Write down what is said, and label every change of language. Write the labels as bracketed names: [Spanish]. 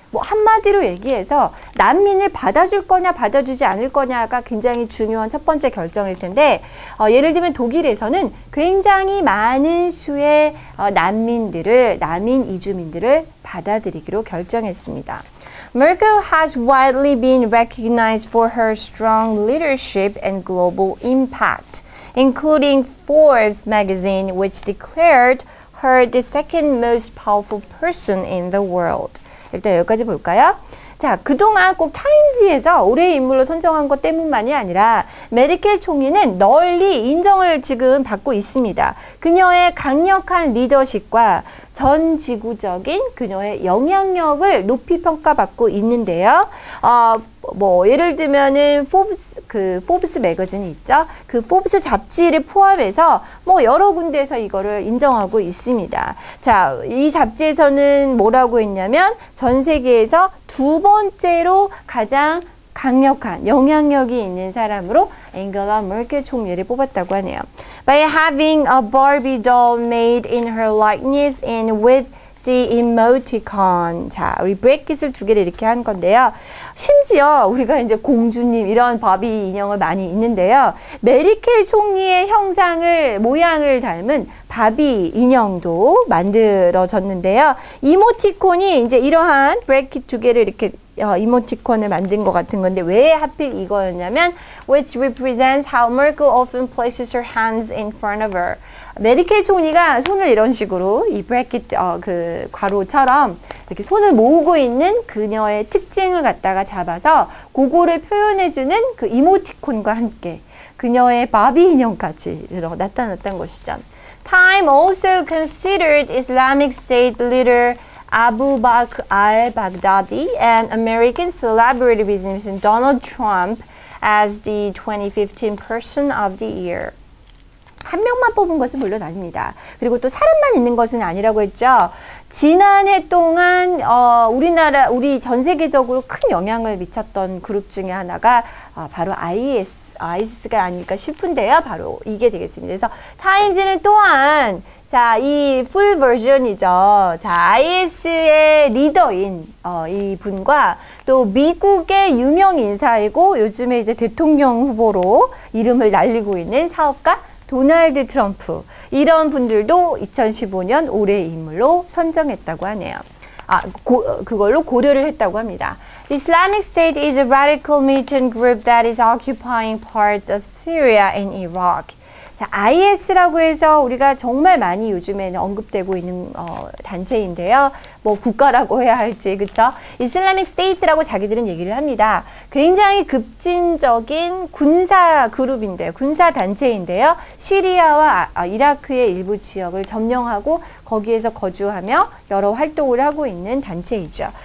[Korean] 뭐 한마디로 얘기해서 난민을 받아줄 거냐 받아주지 않을 거냐가 굉장히 중요한 첫 번째 결정일 텐데, 예를 들면 독일에서는 굉장히 많은 수의 난민들을, 난민 이주민들을 받아들이기로 결정했습니다. [English] Merkel has widely been recognized for her strong leadership and global impact, including Forbes magazine, which declared her the second most powerful person in the world. [Korean] 일단 여기까지 볼까요? 자, 그동안 꼭 타임즈에서 올해의 인물로 선정한 것 때문만이 아니라 메르켈 총리는 널리 인정을 지금 받고 있습니다. 그녀의 강력한 리더십과 전 지구적인 그녀의 영향력을 높이 평가받고 있는데요. 뭐 예를 들면은 포브스 매거진 있죠. 그 포브스 잡지를 포함해서 뭐 여러 군데에서 이거를 인정하고 있습니다. 자, 이 잡지에서는 뭐라고 했냐면 전 세계에서 두 번째로 가장 강력한 영향력이 있는 사람으로 앵글라 머켈 총리를 뽑았다고 하네요. [English] By having a Barbie doll made in her likeness and with the emoticon. [Korean] 자, 우리 브레이킷을 두 개를 이렇게 한 건데요. 심지어 우리가 이제 공주님 이런 바비 인형을 많이 있는데요. 메르켈 총리의 형상을, 모양을 닮은 바비 인형도 만들어졌는데요. 이모티콘이 이제 이러한 브레이킷 두 개를 이렇게 이모티콘을 만든 것 같은 건데 왜 하필 이거였냐면 [English] which represents how Merkel often places her hands in front of her. [Korean] 메르켈 총리가 손을 이런 식으로 이 브래킷 그 괄호처럼 이렇게 손을 모으고 있는 그녀의 특징을 갖다가 잡아서 그거를 표현해주는 그 이모티콘과 함께 그녀의 바비 인형까지 나타났던 것이죠. [English] Time also considered Islamic State leader Abu Bakr al-Baghdadi and American celebrity businessman Donald Trump as the 2015 Person of the Year. [Korean] 한 명만 뽑은 것은 물론 아닙니다. 그리고 또 사람만 있는 것은 아니라고 했죠. 지난해 동안 우리 전 세계적으로 큰 영향을 미쳤던 그룹 중에 하나가 바로 ISIS가 아닐까 싶은데요. 바로 이게 되겠습니다. 그래서 타임즈는 또한 자, 이 풀 버전이죠. 자, IS의 리더인 이 분과 또 미국의 유명 인사이고 요즘에 이제 대통령 후보로 이름을 날리고 있는 사업가 도널드 트럼프, 이런 분들도 2015년 올해의 인물로 선정했다고 하네요. 그걸로 고려를 했다고 합니다. [English] Islamic State is a radical militant group that is occupying parts of Syria and Iraq. [Korean] 자, IS라고 해서 우리가 정말 많이 요즘에는 언급되고 있는 단체인데요. 뭐 국가라고 해야 할지, 그쵸? Islamic State라고 자기들은 얘기를 합니다. 굉장히 급진적인 군사 그룹인데요. 군사 단체인데요. 시리아와 이라크의 일부 지역을 점령하고 거기에서 거주하며 여러 활동을 하고 있는 단체이죠.